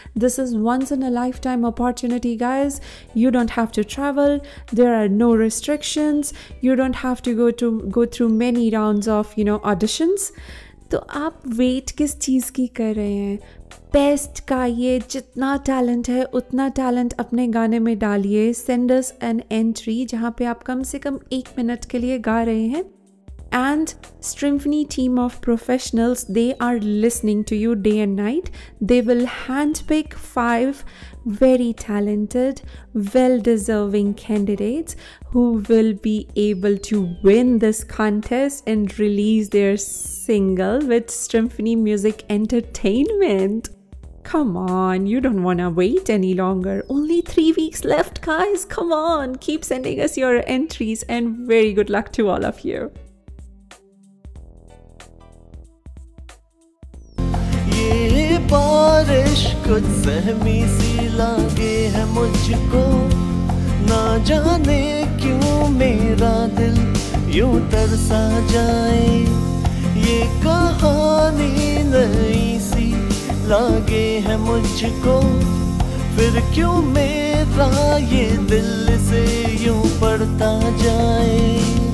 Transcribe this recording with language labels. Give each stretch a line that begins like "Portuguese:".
English: This is once in a life time opportunity guys. You don't have to travel, there are no restrictions, you don't have to go through many round of you know auditions.
Hindi: तो आप wait किस चीज़ की कर रहे हैं? Best का ये जितना टैलेंट है उतना टैलेंट अपने गाने में डालिए.
English: send us an entry
Hindi: जहाँ पे आप कम से कम 1 मिनट के लिए गा रहे हैं
English: and Strymphony team of professionals, they are listening to you day and night. They will handpick 5 very talented, well-deserving candidates who will be able to win this contest and release their single with Strymphony Music Entertainment. Come on, you don't want to wait any longer. Only 3 weeks left, guys. Come on, keep sending us your entries and very good luck to all of you.
Hindi: बारिश कुछ सहमी सी लागे है मुझको ना जाने क्यों मेरा दिल यूं तरसा जाए ये कहानी नई सी लागे है मुझको फिर क्यों मेरा ये दिल से यूं पड़ता जाए